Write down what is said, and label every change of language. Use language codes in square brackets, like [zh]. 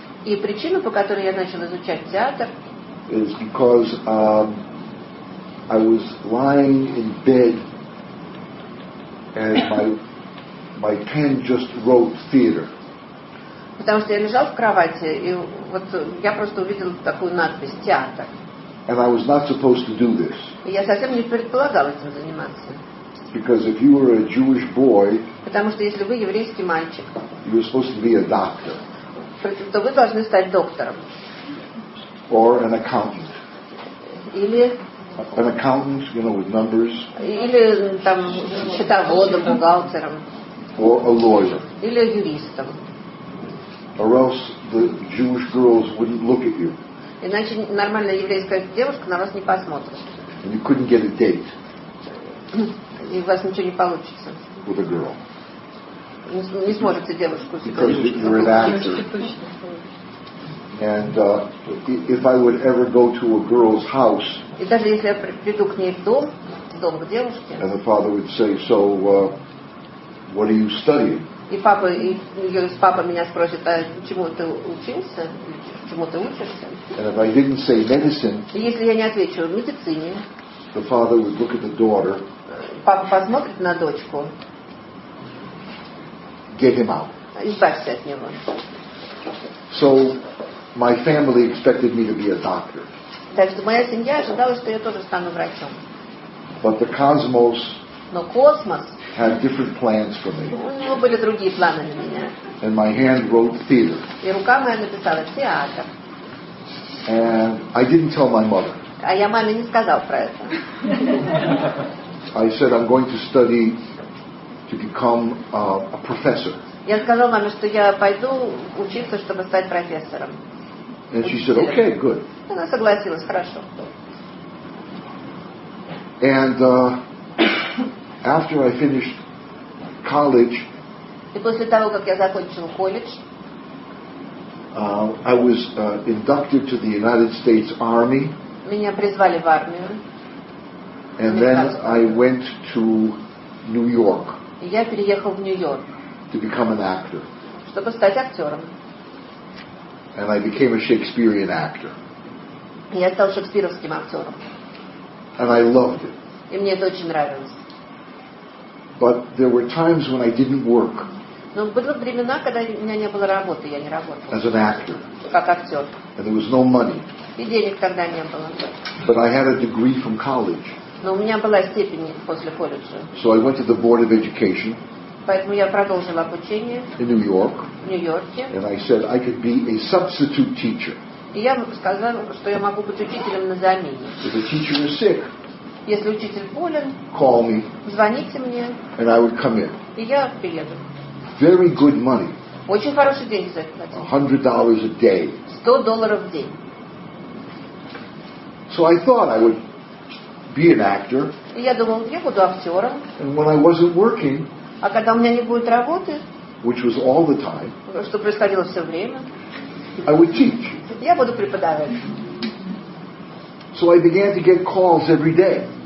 [ru] И причина, по которой я начал изучать театр, [en] is because I was lying in bed and my pen just wrote theater. [ru] Потому что я лежал в кровати и вот я просто увидел такую надпись театр. [en] And I was not supposed to do this. [ru] Я совсем не предполагал этим заниматься. [en] Because if you were a Jewish boy, [ru] потому что если вы еврейский мальчик, [en] you were supposed to be a doctor, [ru] то вы должны стать доктором. [en] Or an accountant. [ru] Или [en] an accountant, you know, with numbers. [ru] Или там счетоводом, бухгалтером. [en] Or a lawyer. [ru] Или юристом. [en] Or else the Jewish girls wouldn't look at you. [ru] Иначе нормальная еврейская девушка на вас не посмотрит. [en] And you couldn't get a date. [ru] И у вас ничего не получится. [en] With a girl. [ru] Не сможете девушку. [en] Because you're an actor. And if I would ever go to a girl's house. [ru] И даже если я приду к ней в дом к девушке. [en] And the father would say, so what are you studying? [ru] И папа, папа меня спросит, а чему ты учился? Чему ты учишься? [en] And if I didn't say medicine. [ru] И если я не отвечу, медицине. [en] The father would look at the daughter. [ru] Папа посмотрит на дочку. [en] Get him out. [ru] Избавься от него. [en] So my family expected me to be a doctor. [ru] Так что моя семья ожидала, что я тоже стану врачом. [en] But the cosmos [ru] Но космос [en] had different plans for me. [ru] У него были другие планы для меня. [en] And my hand wrote theater. [ru] И рука моя написала театр. [en] And I didn't tell my mother. [ru] А я маме не сказал про это. [en] I said I'm going to study to become a professor. [ru] Я сказал маме, что я пойду учиться, чтобы стать профессором. [en] And she said, "Okay, good." [ru] Она согласилась, хорошо. [en] And after I finished college, [ru] и после того, как я закончил колледж, [en] I was inducted to the United States Army. [ru] Меня призвали в армию. [en] And then I went to New York. [ru] Я переехал в Нью-Йорк. [en] To become an actor. [ru] Чтобы стать актером. [en] And I became a Shakespearean actor. [ru] Я стал шекспировским актером. [en] And I loved it. [ru] И мне это очень нравилось. [en] But there were times when I didn't work. [ru] Но были времена, когда у меня не было работы, я не работал. [en] As an actor. [ru] Как актер. [en] And there was no money. [ru] И денег тогда не было. [en] But I had a degree from college. [ru] Но у меня была степень после колледжа. [en] So I went to the Board of Education. [ru] Поэтому я продолжила обучение. [en] In New York. [ru] В Нью-Йорке. [en] And I said I could be a substitute teacher. [ru] И я сказала, что я могу быть учителем на замене. [en] If a teacher is sick. [ru] Если учитель болен. [en] Call me. [ru] Звоните мне. [en] And I would come in. [ru] И я приеду. [en] Very good money. [ru] Очень хорошие деньги за это платили. [en] $100 a day. [ru] $100 в день. [en] So I thought I would be an actor. [ru] И я думал, я буду актером. [en] And when I wasn't working, [ru] а когда у меня не будет работы, [en] which was all the time, [ru] что происходило все время, [en] I would teach. [ru] Я буду преподавать. [en] So I began to get calls every day.